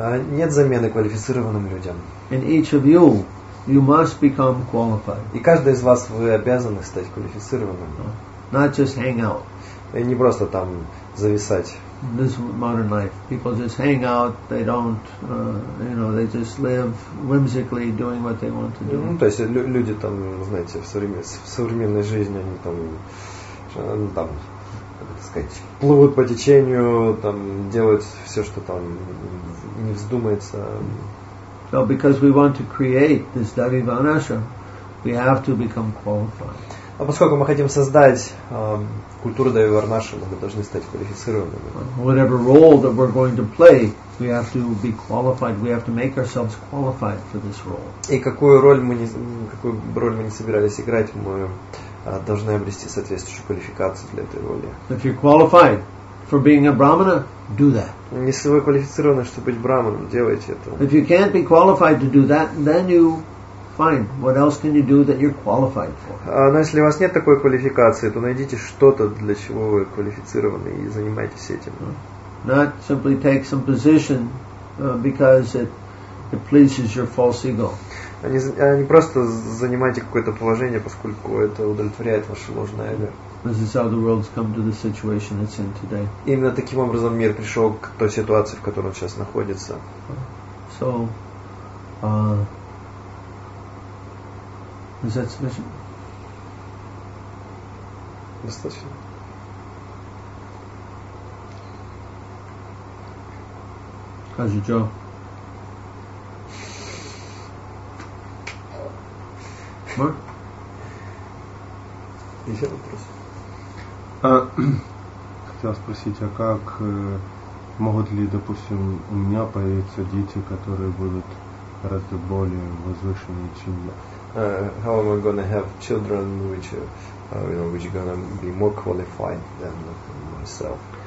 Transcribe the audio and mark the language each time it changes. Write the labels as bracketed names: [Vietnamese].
[Russian] Нет замены квалифицированным людям. [English] And each of you, you must become qualified. [Russian] И каждый из вас, вы обязаны стать квалифицированным. [English] Not just hang out. [Russian] И не просто там зависать. [English] This is modern life. People just hang out. They don't, they just live whimsically, doing what they want to do. [Russian] Ну, то есть люди там, знаете, в современной жизни они там, так сказать, плывут по течению, там делают все, что там не вздумается. [English] So because we want to create this Daivi Vanashram, we have to become qualified. [Russian] А поскольку мы хотим создать культуру Даиви Варнашрама, мы должны стать квалифицированными. [English] Whatever role that we're going to play, we have to be qualified. We have to make ourselves qualified for this role. [Russian] И какую роль мы не собирались играть, мы должны обрести соответствующую квалификацию для этой роли. [English] If you're qualified for being a brahmana, do that. [Russian] Если вы квалифицированы, чтобы быть брахманом, делайте это. [English] If you can't be qualified to do that, then you fine. What else can you do that you're qualified for? [Russian] Но если у вас нет такой квалификации, то найдите что-то, для чего вы квалифицированы, и занимайтесь этим. [English] Not simply take some position because it pleases your false ego. [Russian] Не просто занимайте какое-то положение, поскольку это удовлетворяет ваше ложное эго. [English] This is how the world's come to the situation it's in today. [Russian] Именно таким образом мир пришел к той ситуации, в которой он сейчас находится. [English] So, is that sufficient? [Russian] Достаточно. [English] How's your job? Mark? [Russian] Еще вопрос. Хотел спросить, а как могут ли, допустим, у меня появиться дети, которые будут гораздо более возвышенные, чем я? [English] How am I going to have children which are going to be more qualified than myself?